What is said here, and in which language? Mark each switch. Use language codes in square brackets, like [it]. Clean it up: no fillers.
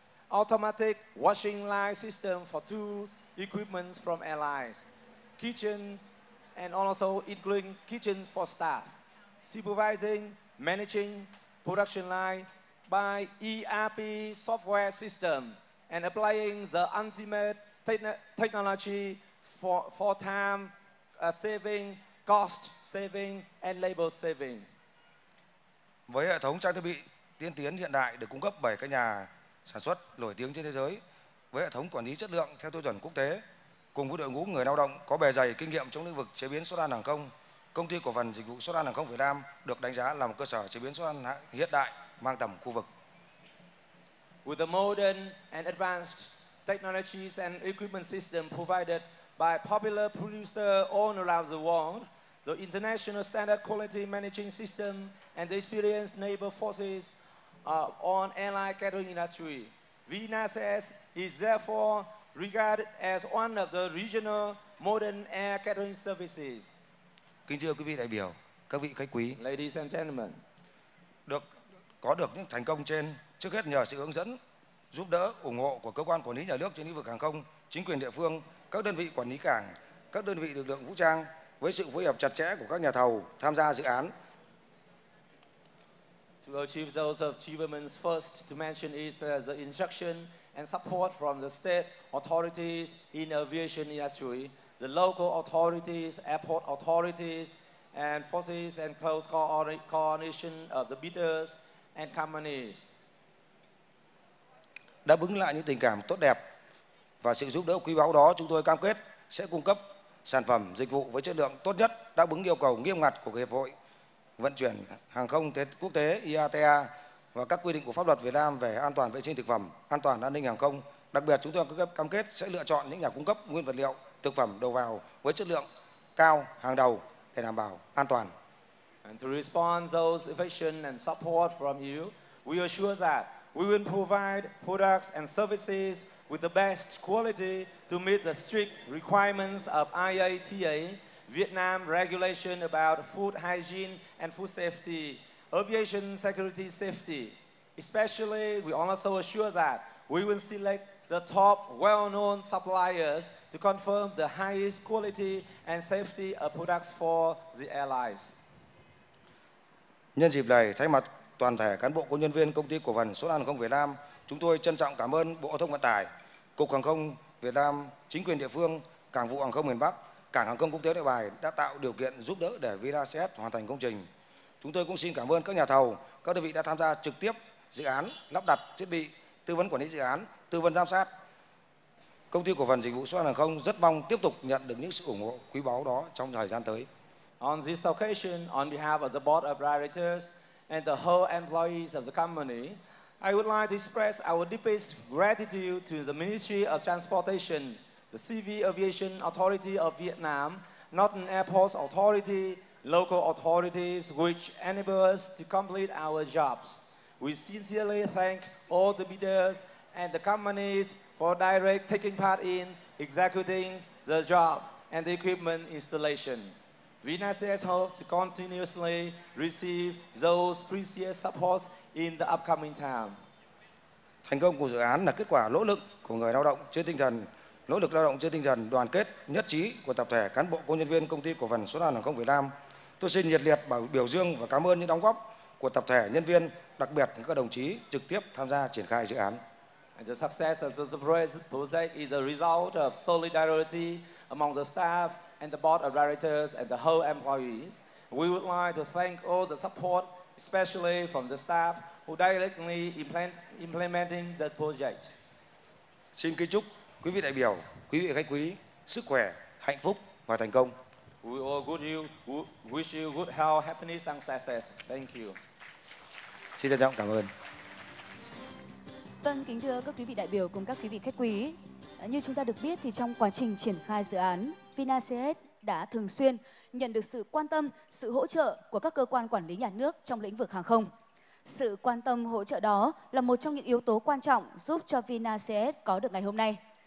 [en] automatic washing line system for tools, equipment from airlines, kitchen, and also including kitchen for staff, supervising, managing production line by ERP software system, and applying the ultimate technology for time saving, cost saving, and labor saving. [vi] Với hệ thống trang thiết bị tiên tiến hiện đại được cung cấp bởi các nhà sản xuất nổi tiếng trên thế giới, với hệ thống quản lý chất lượng theo tiêu chuẩn quốc tế, cùng với đội ngũ người lao động có bề dày kinh nghiệm trong lĩnh vực chế biến xuất ăn hàng không, công ty cổ phần dịch vụ xuất ăn hàng không Việt Nam được đánh giá là một cơ sở chế biến xuất ăn hiện đại mang tầm khu vực. [en] With the modern and advanced technologies and equipment system provided by popular producers all around the world, the international standard quality managing system and the experienced labor forces on airline catering industry, VinAset is therefore regarded as one of the regional modern air catering services. [vi] Kính thưa quý vị đại biểu, các vị khách quý, [en] ladies and gentlemen, [vi] có được những thành công trên trước hết nhờ sự hướng dẫn, giúp đỡ, ủng hộ của cơ quan quản lý nhà nước trên lĩnh vực hàng không, chính quyền địa phương, các đơn vị quản lý cảng, các đơn vị lực lượng vũ trang, với sự phối hợp chặt chẽ của các nhà thầu tham gia dự án. [en] To achieve those achievements, first to mention is the instruction and support from the state authorities in aviation industry, the local authorities, airport authorities, and forces and close coordination of the bidders and companies. [vi] Đáp ứng lại những tình cảm tốt đẹp và sự giúp đỡ quý báu đó, chúng tôi cam kết sẽ cung cấp sản phẩm dịch vụ với chất lượng tốt nhất, đáp ứng yêu cầu nghiêm ngặt của Hiệp hội Vận chuyển Hàng không Quốc tế IATA và các quy định của pháp luật Việt Nam về an toàn vệ sinh thực phẩm, an toàn an ninh hàng không. Đặc biệt, chúng tôi cam kết sẽ lựa chọn những nhà cung cấp nguyên vật liệu, thực phẩm đầu vào với chất lượng cao hàng đầu để đảm bảo an toàn. [en] And to respond those affection and support from you, we assure that we will provide products and services with the best quality to meet the strict requirements of IATA, Vietnam regulation about food hygiene and food safety, aviation security safety. Especially, we also assure that we will select the top well-known suppliers to confirm the highest quality and safety of products for the airlines. [vi] Nhân dịp này, thay mặt toàn thể cán bộ công nhân viên công ty cổ phần Số Đàn Không Việt Nam, chúng tôi trân trọng cảm ơn Bộ Giao thông Vận tải, Cục Hàng không Việt Nam, chính quyền địa phương, Cảng vụ Hàng không miền Bắc, Cảng Hàng không Quốc tế Nội Bài đã tạo điều kiện giúp đỡ để VinaCS hoàn thành công trình. Chúng tôi cũng xin cảm ơn các nhà thầu, các đơn vị đã tham gia trực tiếp dự án, lắp đặt thiết bị, tư vấn quản lý dự án, tư vấn giám sát. Công ty cổ phần dịch vụ Số Đàn Hàng không rất mong tiếp tục nhận được những sự ủng hộ quý báu đó trong thời gian tới. [en] On this occasion, on behalf of the Board of Directors and the whole employees of the company, I would like to express our deepest gratitude to the Ministry of Transportation, the Civil Aviation Authority of Vietnam, Northern Airports Authority, local authorities, which enable us to complete our jobs. We sincerely thank all the bidders and the companies for direct taking part in executing the job and the equipment installation. VinaCS hope to continuously receive those precious supports in the upcoming time. [vi] Thành công của dự án là kết quả nỗ lực của người lao động trên tinh thần, nỗ lực lao động trên tinh thần đoàn kết, nhất trí của tập thể cán bộ công nhân viên công ty cổ phần Số Đàn Hàng không Việt Nam. Tôi xin nhiệt liệt biểu dương và cảm ơn những đóng góp của tập thể nhân viên, đặc biệt các đồng chí trực tiếp tham gia triển khai dự án. [en] And the success of the project is a result of solidarity among the staff and the board of directors and the whole employees. We would like to thank all the support, especially from the staff who directly implementing the project. [vi] Xin kính chúc quý vị đại biểu, quý vị khách quý sức khỏe, hạnh phúc và thành công. [en] We all wish you good health, happiness and success. Thank you. [vi] Xin trân trọng cảm ơn. Vâng, kính thưa các quý vị đại biểu cùng các quý vị khách quý. Như chúng ta được biết thì trong quá trình triển khai dự án, VinaCS đã thường xuyên nhận được sự quan tâm, sự hỗ trợ của các cơ quan quản lý nhà nước trong lĩnh vực hàng không. Sự quan tâm hỗ trợ đó là một trong những yếu tố quan trọng giúp cho VinaCS có được ngày hôm nay.